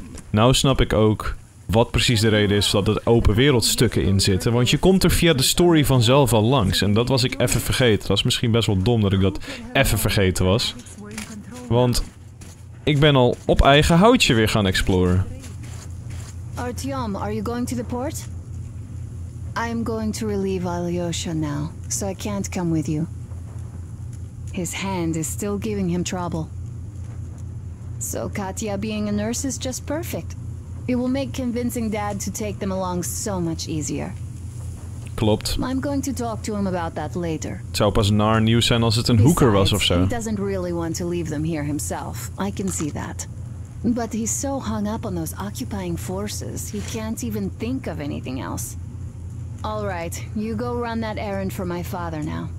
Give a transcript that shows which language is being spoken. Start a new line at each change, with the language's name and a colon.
Dutch: Nou snap ik ook wat precies de reden is dat er open wereldstukken in zitten. Want je komt er via de story vanzelf al langs. En dat was ik even vergeten. Dat is misschien best wel dom dat ik dat even vergeten was. Want ik ben al op eigen houtje weer gaan exploren.
English: Artyom, are you going to the port? I'm going to relieve Alyosha now, so I can't come with you. His hand is still giving him trouble. So Katya being a nurse is just perfect. It will make convincing Dad to take them along so much easier.
Dutch: Klopt.
English: I'm going to talk to him about that later.
Dutch: Het zou pas naar nieuws zijn als het een hoeker was of zo.
English: He doesn't really want to leave them here himself. I can see that. But he's so hung up on those occupying forces, he can't even think of anything else. All right, you go run that errand for my father now.